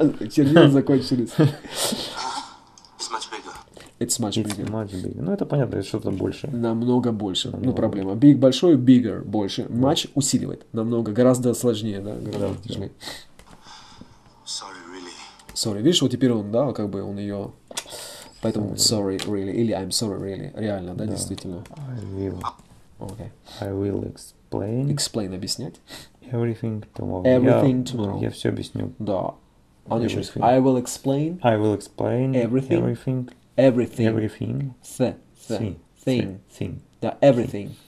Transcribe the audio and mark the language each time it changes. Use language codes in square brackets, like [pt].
[ru] Чернил закончились. [en] It's much bigger. It's much bigger. It's much bigger. [ru] Ну, это понятно, это что-то больше. Намного больше. Намного. Ну, проблема. Big большой, bigger больше. Матч усиливает. Намного, гораздо сложнее, да? Гораздо тяжелее. Sorry, видишь, вот теперь он, да, как бы он ее... Поэтому sorry, really, или I'm sorry, really. Реально, да, да. Действительно. [en] I will. Okay. I will explain. [ru] Explain, объяснять. [en] Everything tomorrow. Everything tomorrow. [ru] Я все объясню. Да. Он еще говорит, [en] I will explain. I will explain. Everything. Everything. Everything. Everything. Thing. Thing. [ru] Да, everything.